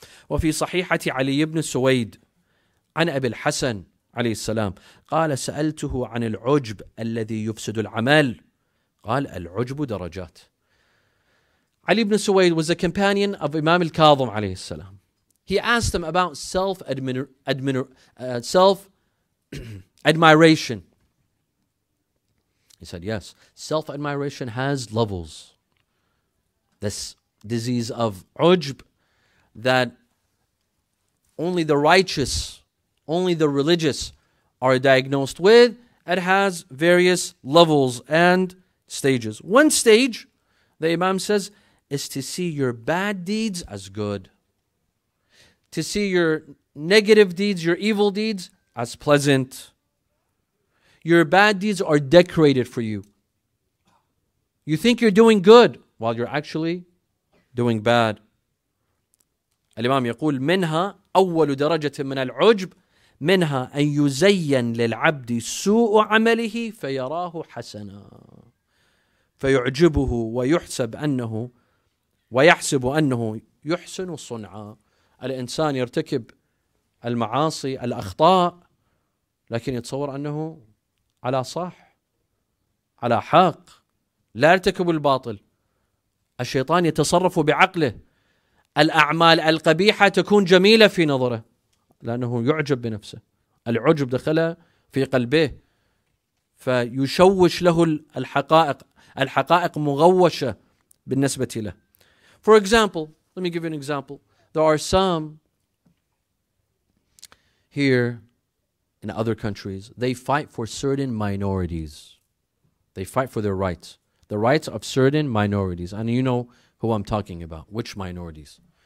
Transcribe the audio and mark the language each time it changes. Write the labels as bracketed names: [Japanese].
[Arabic] وفي صحيحة علي بن سويد عن أبي الحسن عليه السلام قال سألته عن العجب الذي يفسد العمل. قال العجب درجات. [English] علي بن سويد was a companion of Imam al-Kadhim عليه السلام. He asked him about self-admiration. He said, yes, self-admiration has levels. This disease of ujb that only the righteous, only the religious are diagnosed with, it has various levels and stages. One stage, the Imam says, is to see your bad deeds as good. To see your negative deeds, your evil deeds, as pleasant. Your bad deeds are decorated for you. You think you're doing good while you're actually doing bad. [Arabic] الإمام يقول منها أول درجة من العجب منها أن يزين للعبد سوء عمله فيراه حسنا فيعجبه ويحسب أنه ويحسب أنه يحسن صنعا. الإنسان يرتكب المعاصي الأخطاء لكن يتصور أنه على صح على حق لا يرتكب الباطل. الشيطان يتصرف بعقله. الأعمال القبيحة تكون جميلة في نظره لأنه يعجب بنفسه. العجب دخل في قلبه فيشوش له الحقائق. الحقائق مغوشة بالنسبة له. [English] For example, let me give you an example. There are some here in other countries, they fight for certain minorities. They fight for their rights. The rights of certain minorities. And you know who I'm talking about. Which minorities?